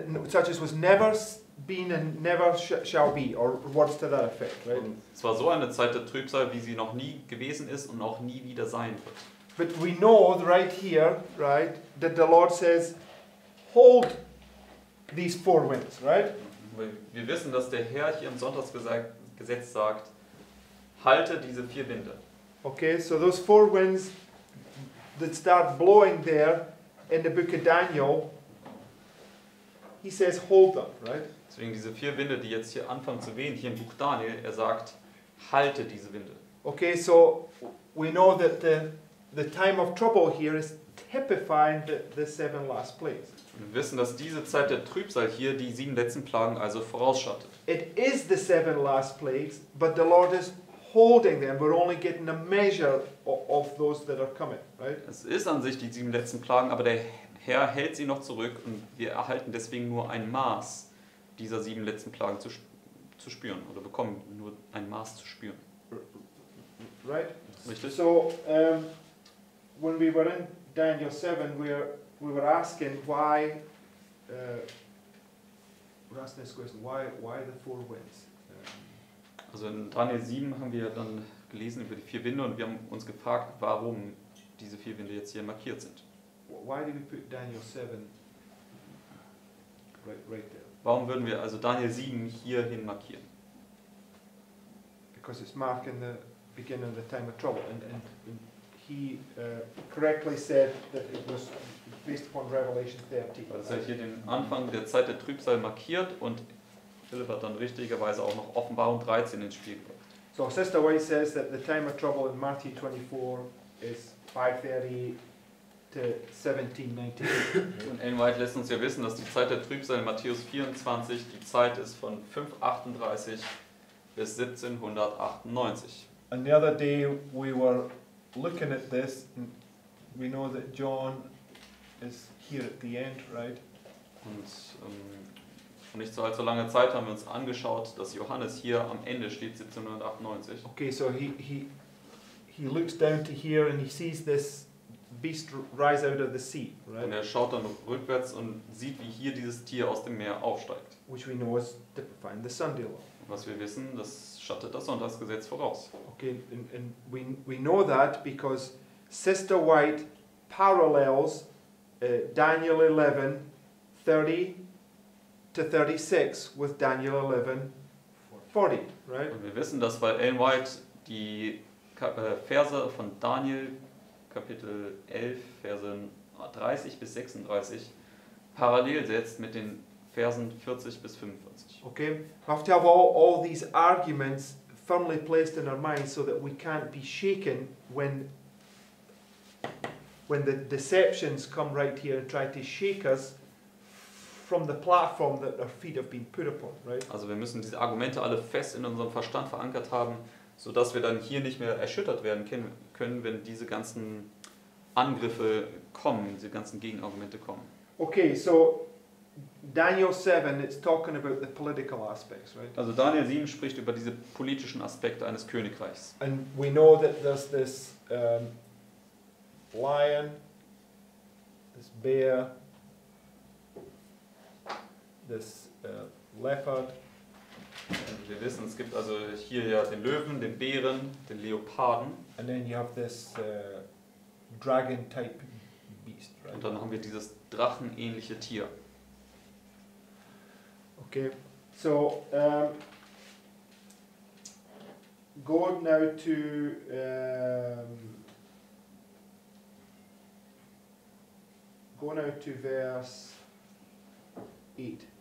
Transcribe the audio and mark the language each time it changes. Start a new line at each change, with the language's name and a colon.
English: Such as was never been and never shall be, or words to that effect, right?
German: Es war so eine Zeit der Trübsal, wie sie noch nie gewesen ist und auch nie wieder sein wird.
English: But we know right here, right, that the Lord says, hold these four winds, right?
German: Wir wissen, dass der Herr hier im Sonntagsgesetz sagt, halte diese vier Winde.
English: Okay, so those four winds that start blowing there in the book of Daniel, he says, hold them, right?
German: Deswegen diese vier Winde, die jetzt hier anfangen zu wehen, hier im Buch Daniel, er sagt, halte diese Winde.
English: Okay, so we know that the time of trouble here is typifying the seven last plagues.
German: Wir wissen, dass diese Zeit der Trübsal hier die sieben letzten Plagen also vorausschattet.
English: It is the seven last plagues, but the Lord is holding them. We're only getting a measure of those that are coming, right?
German: Es ist an sich die sieben letzten Plagen, aber der Herr hält sie noch zurück und wir erhalten deswegen nur ein Maß dieser sieben letzten Plagen zu spüren oder bekommen nur ein Maß zu spüren.
English: Right?
German: Richtig.
English: So, when we were in Daniel 7, we were asking why, we're asking this question, why the four winds?
German: Also in Daniel 7 haben wir dann gelesen über die vier Winde und wir haben uns gefragt, warum diese vier Winde jetzt hier markiert sind.
English: why do we put Daniel 7 right there?
German: Warum würden wir also Daniel 7 hierhin markieren?
English: Because it's marking the beginning of the time of trouble, and he correctly said that it was based upon Revelation 13.
German: Also er hier den Anfang der Zeit der Trübsal markiert und Philipp hat dann richtigerweise auch noch Offenbarung 13 ins Spiel gebracht.
English: So Sister White says that the time of trouble in Matthew 24 is 5:30 to 17:19.
German: Und Ellen White lässt uns ja wissen, dass die Zeit der Trübsal in Matthäus 24 die Zeit ist von 5:38 bis 1798.
English: And the other day we were looking at this, and we know that John is here at the end, right?
German: Und nicht so allzu lange Zeit haben wir uns angeschaut, dass Johannes hier am Ende steht, 1798.
English: Okay, so he looks down to here and he sees this beast rise out of the sea, right?
German: Und er schaut dann rückwärts und sieht, wie hier dieses Tier aus dem Meer aufsteigt.
English: Which we know is typifying the Sunday law.
German: Was wir wissen, das schattet das Sonntagsgesetz voraus.
English: Okay, and we know that because Sister White parallels Daniel 11, 30 to 36 with Daniel 11, 40, right?
German: Und wir wissen das, weil Ellen White die Verse von Daniel Kapitel 11, Versen 30 bis 36 parallel setzt mit den Versen 40 bis 45.
English: Okay, we have to have all these arguments firmly placed in our minds so that we can't be shaken when the deceptions come right here and try to shake us from the platform that our feet have been put upon, right?
German: Also wir müssen diese Argumente alle fest in unserem Verstand verankert haben, so dass wir dann hier nicht mehr erschüttert werden können, wenn diese ganzen Angriffe kommen, diese ganzen Gegenargumente kommen.
English: Okay, so Daniel 7, it's talking about the political aspects, right?
German: Also Daniel 7 spricht über diese politischen Aspekte eines Königreichs.
English: And we know that there's this lion, this bear, this leopard.
German: Wir wissen, es gibt also hier ja den Löwen, den Bären, den Leoparden.
English: And then you have this dragon-type beast, right?
German: Und dann haben wir dieses drachenähnliche Tier.
English: Okay, so go now to verse 8.